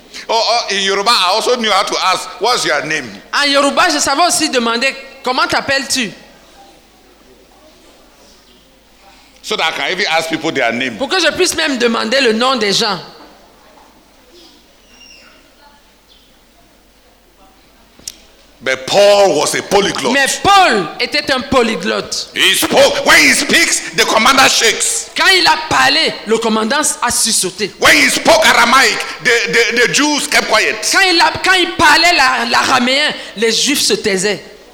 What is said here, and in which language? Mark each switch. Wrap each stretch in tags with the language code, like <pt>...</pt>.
<en>Oh, in Yoruba, I also knew how to ask, what's your name?</en> <fr>En Yoruba, je savais aussi demander, comment t'appelles-tu?</fr> <en>So that I can even ask people their name.</en> <fr>Pour que je puisse même demander le nom des gens.</fr> <en>But Paul was a polyglot.</en> <fr>Mais Paul était un polyglotte.</fr> <en>He spoke. When he speaks, the commander shakes.</en> <fr>Quand il a parlé, le commandant a sursauté.</fr> <en>When he spoke Aramaic, the Jews kept quiet.</en> <fr>Quand il parlait l'araméen, les Juifs se taisaient.</fr>